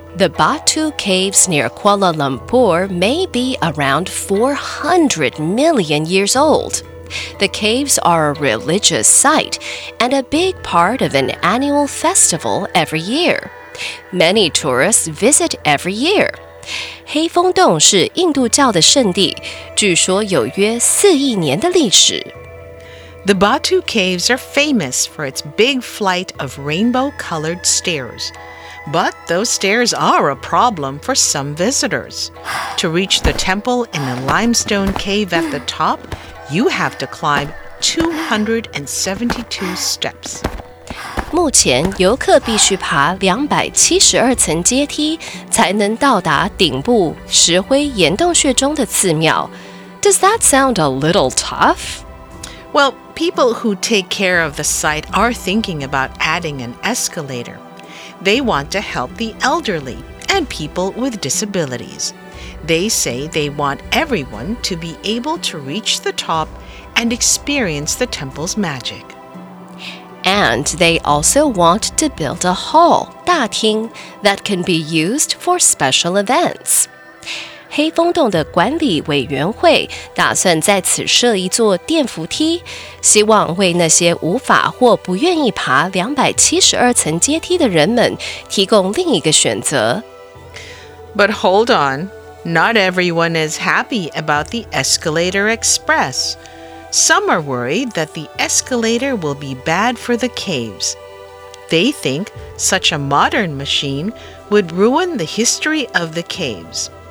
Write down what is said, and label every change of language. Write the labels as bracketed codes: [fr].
[en] The Batu caves near Kuala Lumpur may be around 400 million years old. The caves are a religious site and a big part of an annual festival every year. Many tourists visit every year. [zh] 黑风洞是印度教的圣地，据说有约四亿年的历史。 [en] The Batu caves are famous for its big flight of rainbow-colored stairs. But those stairs are a problem for some visitors. To reach the temple in the limestone cave at the top, you have to climb 272 steps. [zh] 目前游客必须爬272层阶梯才能到达顶部石灰岩洞穴中的寺庙。 [en] Does that sound a little tough? Well, people who take care of the site are thinking about adding an escalator. They want to help the elderly and people with disabilities. They say they want everyone to be able to reach the top and experience the temple's magic. And they also want to build a hall, 大厅, that can be used for special events. [zh] 黑风洞的管理委员会打算在此设一座电扶梯，希望为那些无法或不愿意爬272层阶梯的人们提供另一个选择。 [en] But hold on, not everyone is happy about the escalator express. Some are worried that the escalator will be bad for the caves. They think such a modern machine would ruin the history of the caves.